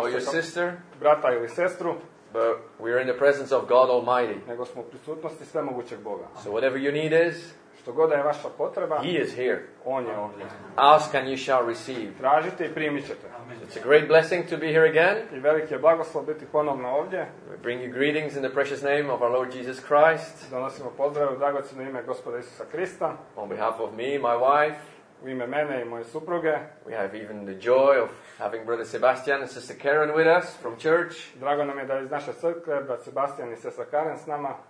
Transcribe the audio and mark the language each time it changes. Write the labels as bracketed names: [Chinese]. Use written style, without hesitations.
[English] or your sister, [Croatian] brata ili sestru. [English] But we are in the presence of God Almighty. [Croatian] Nego smo u prisutnosti svemogućeg Boga. [English] So whatever you need is, [Croatian] što god je vaša potreba, [English] he is here. [Croatian] On je ovdje. [English] Ask and you shall receive. [Croatian] Tražite i primit ćete. [English] It's a great blessing to be here again. [Croatian] I veliki je blagoslov biti ponovno ovdje. [English] We bring you greetings in the precious name of our Lord Jesus Christ. [Croatian] Donosimo pozdrave u dragocjeno ime Gospoda Isusa Krista. [English] On behalf of me, my wife, [Croatian] u ime mene i moje supruge. [English] We have even the joy of having brother Sebastian and sister Karen with us from church. [Croatian] Drago nam je da iz naše crkve brat Sebastian i sestra Karen s nama.